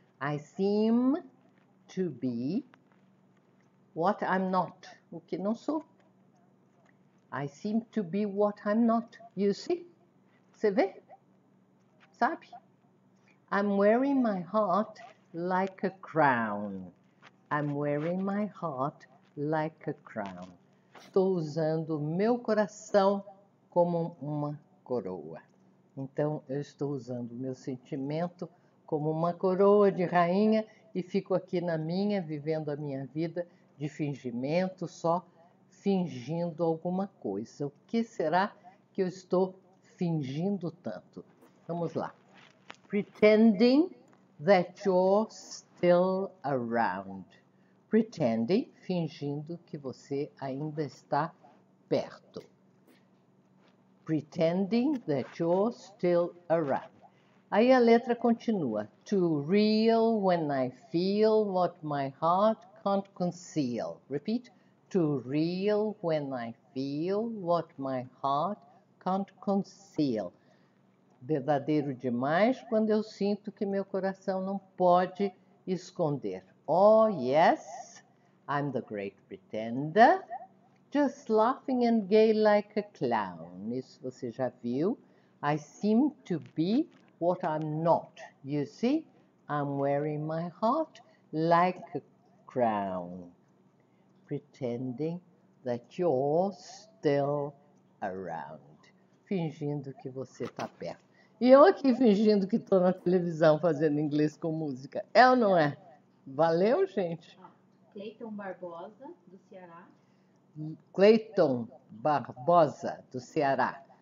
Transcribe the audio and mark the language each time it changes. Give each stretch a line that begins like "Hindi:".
English: I seem to be what I'm not,
Portuguese: o que não sou.
English: I seem to be what I'm not, you see.
Portuguese: Você vê? Sabe?
English: I'm wearing my heart like a crown. I'm wearing my heart like a crown.
Portuguese: Estou usando meu coração como uma coroa. Então, eu estou usando o meu sentimento como uma coroa de rainha e fico aqui na minha, vivendo a minha vida de fingimento, só fingindo alguma coisa. O que será que eu estou fingindo tanto? Vamos lá.
English: Pretending that you're still around.
Portuguese: Pretending, fingindo que você ainda está perto.
English: Pretending that you're still around.
Portuguese: Aí a letra continua.
English: Too real when I feel what my heart can't conceal. Repeat. Too real when I feel what my heart can't conceal.
Portuguese: Verdadeiro demais quando eu sinto que meu coração não pode esconder.
English: Oh, yes, I'm the great pretender. Just laughing and gay like a clown.
Portuguese: Isso você já viu.
English: I seem to be what I'm not. You see, I'm wearing my heart like a crown. Pretending that you're still around.
Portuguese: Fingindo que você está perto. E eu aqui fingindo que estou na televisão fazendo inglês com música. É ou não é? Valeu, gente. Cleiton Barbosa, do Ceará. Cleiton Barbosa, do Ceará.